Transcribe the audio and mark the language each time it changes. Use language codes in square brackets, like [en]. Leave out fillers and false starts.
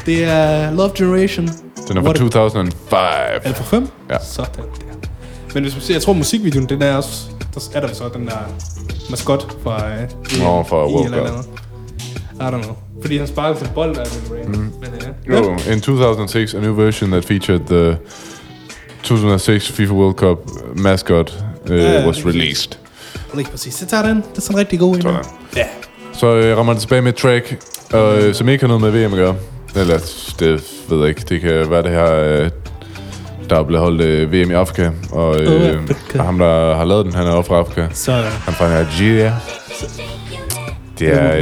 [da] Det er Love Generation. Den er fra 2005. Eller fra 5? Ja. Sådan der. Men hvis man ser, jeg tror musikvideoen, den er også... Der er der så den der maskot fra... For World Cup. [en] I don't know. [da] Fordi han sparker til bold, der er lidt rain. Mm. Men, ja. [en] In 2006, a new version that featured the 2006 FIFA World Cup mascot was released. [da] Lige præcis. Så tager den. Det er sådan en rigtig god en. Ja. Så rammer den tilbage med et track, som ikke har noget med VM at gøre. Eller det ved jeg ikke. Det kan være det her, der er blevet holdt VM i Afrika. Og ham, der har lavet den, han er fra Afrika. Sådan. Han er fra Nigeria. Det er...